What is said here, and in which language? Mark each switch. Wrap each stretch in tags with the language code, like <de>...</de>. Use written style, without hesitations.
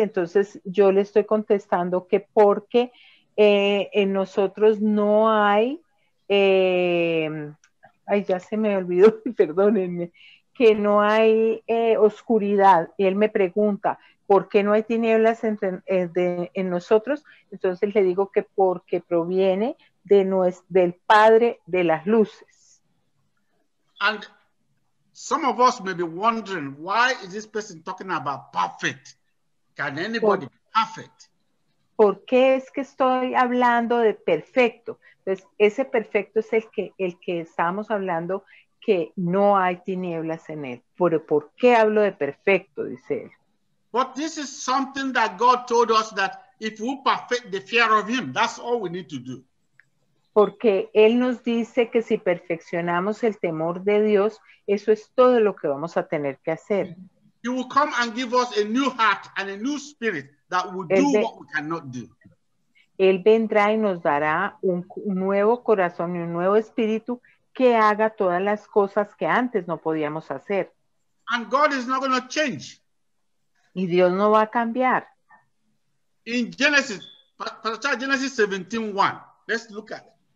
<es>Entonces, yo le estoy contestando que porque en nosotros no hay, ya se me olvidó, perdónenme, que no hay oscuridad. Y él me pregunta, ¿por qué no hay tinieblas en nosotros? Entonces, le digo que porque proviene del Padre de las Luces.</es> <en>And some of us may be wondering, why is this person talking about perfect? Can anybody be perfect?</en> <es>¿Por qué es que estoy hablando de perfecto? Pues ese perfecto es el que estábamos hablando, que no hay tinieblas en él. ¿Por qué hablo de perfecto? Dice él.</es> <en>But this is something that God told us that if we perfect the fear of him, that's all we need to do.</en> <es>Porque él nos dice que si perfeccionamos el temor de Dios, eso es todo lo que vamos a tener que hacer.</es> <en>He will come and give us a new heart and a new spirit that will do what we cannot do.</en> <es>Él vendrá y nos dará un nuevo corazón y un nuevo espíritu que haga todas las cosas que antes no podíamos hacer.</es> <en>And God is not going to change.</en> <es>Y Dios no va a cambiar.</es> <en>In Genesis, Genesis 17:1. Let's look at it.</en>